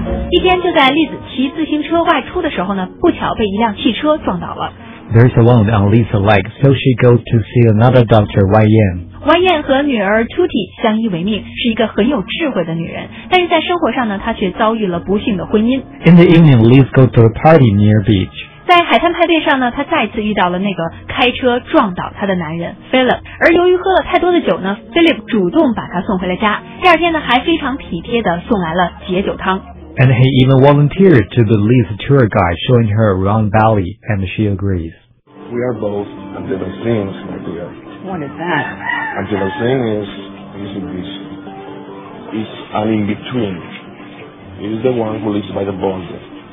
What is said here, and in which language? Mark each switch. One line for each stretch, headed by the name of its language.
Chinese: 一天就在丽子骑自行车外出的时候呢，不巧被一辆汽车撞倒了。
English: There's a wound on Lisa's leg, so she goes to see another doctor, Wai Yan.
Chinese: Wai Yan 和女儿 Tuti 相依为命，是一个很有智慧的女人。但是在生活上呢，她却遭遇了不幸的婚姻。
English: In the evening, Lisa goes to a party near beach.
Chinese: 在海滩派对上呢，她再次遇到了那个开车撞倒她的男人 Philip。而由于喝了太多的酒呢 ，Philip 主动把她送回了家。第二天呢，还非常体贴地送来了解酒汤。
English: And he even volunteered to be Liz's tour guide, showing her around Bali, and she agrees. We are both Anjana Singh's idea. What is that? Anjana Singh is this. He's an in-between. He's the one who lives by the border.